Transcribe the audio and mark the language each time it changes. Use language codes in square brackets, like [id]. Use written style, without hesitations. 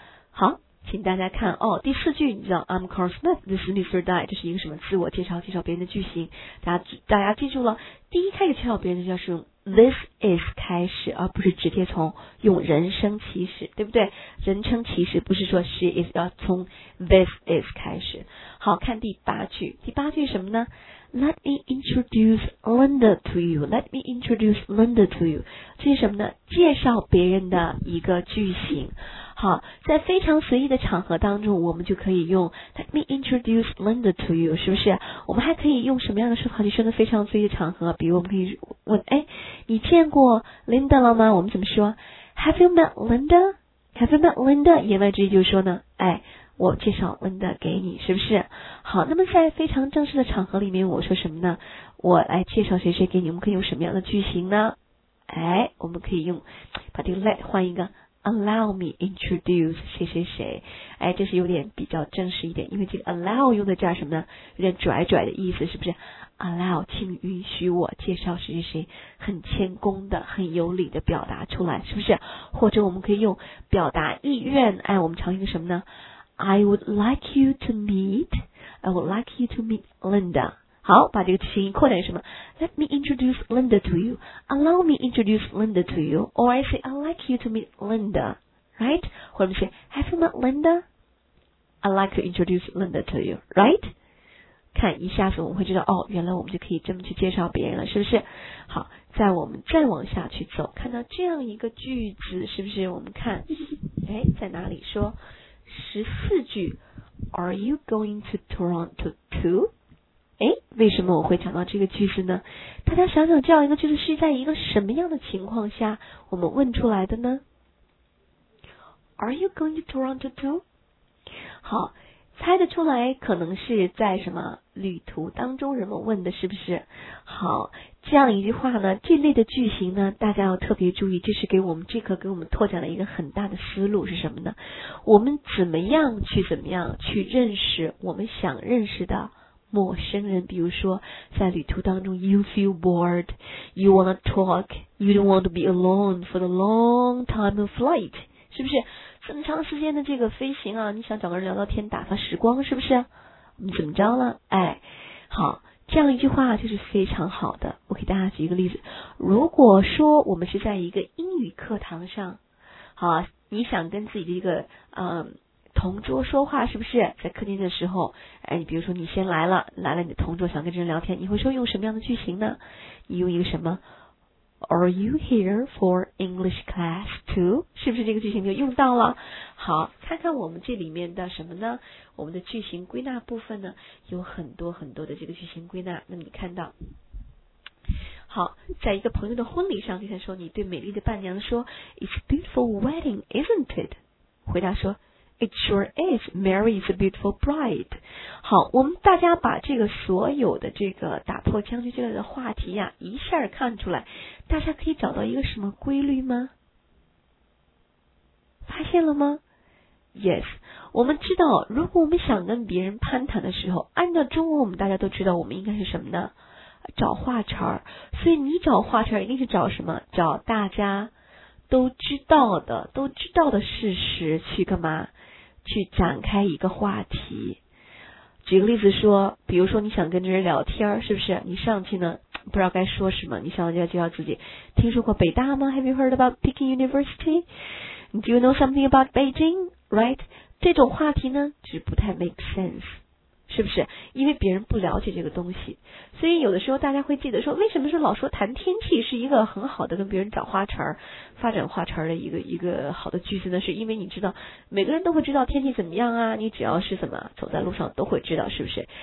[zh] 好，请大家看哦，第四句你知道 [en] I'm Carl Smith, this is Mr. [zh] Dye, 这是一个什么自我介绍介绍别人的句型。大家记住了，第一开始介绍别人的就是用This is 开始，而不是直接从用人称其实，对不对？人称其实不是说 she is， 要从 this is 开始。好，看第八句，第八句什么呢 ？ [en] Let me introduce Linda to you. Let me introduce Linda to you. [zh] 这是什么呢？介绍别人的一个句型。好，在非常随意的场合当中，我们就可以用 [en] Let me introduce Linda to you， [zh] 是不是？我们还可以用什么样的说法去说的非常随意的场合？比如我们可以问，哎，你见过 Linda 了吗？我们怎么说 ？ [en] Have you met Linda？ Have you met Linda？ [zh] 言外之意就是说呢，哎，我介绍 Linda 给你，是不是？好，那么在非常正式的场合里面，我说什么呢？我来介绍谁谁给你，我们可以用什么样的句型呢？哎，我们可以用把这个 let 换一个。Allow me introduce 谁谁谁，哎，这是有点比较正式一点，因为这个 allow 用的叫什么呢？有点拽拽的意思，是不是 ？Allow， 请允许我介绍谁谁谁，很谦恭的、很有礼的表达出来，是不是？或者我们可以用表达意愿，哎，我们常用什么呢 ？ [en] I would like you to meet， I would like you to meet Linda。 [zh] 好，把这个句型扩展什么 ？ [en] Let me introduce Linda to you. Allow me introduce Linda to you. Or I say I'd like you to meet Linda, right? 或者是 Have you met Linda? I'd like to introduce Linda to you, right? [zh] 看一下子我们会知道哦，原来我们就可以这么去介绍别人了，是不是？好，在我们再往下去走，看到这样一个句子，是不是？我们看，哎，在哪里说十四句 ？ [en] Are you going to Toronto too? [zh] 哎，为什么我会讲到这个句子呢？大家想想，这样一个句子是在一个什么样的情况下我们问出来的呢 ？ [en] Are you going to Toronto too？ [zh] 好，猜得出来，可能是在什么旅途当中人们问的，是不是？好，这样一句话呢，这类的句型呢，大家要特别注意，这是给我们这课给我们拓展了一个很大的思路，是什么呢？我们怎么样去怎么样去认识我们想认识的？陌生人，比如说在旅途当中 [en] ，you feel bored, you wanna talk, you don't want to be alone for the long time of flight, [zh] 是不是？这么长时间的这个飞行啊，你想找个人聊聊天，打发时光，是不是？怎么着了？哎，好，这样一句话就是非常好的。我给大家举一个例子，如果说我们是在一个英语课堂上，好，你想跟自己的一个同桌说话，是不是在客厅的时候，哎，你比如说你先来了，来了你的同桌想跟这人聊天，你会说用什么样的句型呢？你用一个什么 [en] ？Are you here for English class too？ [zh] 是不是这个句型就用到了？好，看看我们这里面的什么呢？我们的句型归纳部分呢，有很多很多的这个句型归纳。那么你看到，好，在一个朋友的婚礼上，跟他说你对美丽的伴娘说 ， [en] It's a beautiful wedding, isn't it？回答说。It sure is. Mary is a beautiful bride. [zh] 好，我们大家把这个所有的这个打破僵局这类的话题呀，一下看出来，大家可以找到一个什么规律吗？发现了吗？Yes， 我们知道如果我们想跟别人攀谈的时候，按照中文我们大家都知道我们应该是什么呢？找话茬。所以你找话茬一定是找什么？找大家都知道的，都知道的事实去干嘛？去展开一个话题。举个例子说，比如说你想跟这人聊天，是不是？你上去呢不知道该说什么，你想要介绍自己，听说过北大吗？ [en] Have you heard about Peking University? Do you know something about Beijing? Right? [zh] 这种话题呢就是不太 [en] make sense， [zh] 是不是？因为别人不了解这个东西。所以有的时候大家会记得说，为什么说老说谈天气是一个很好的跟别人找话茬发展话茬的一个好的句子呢？是因为你知道每个人都会知道天气怎么样啊，你只要是怎么走在路上都会知道，是不是？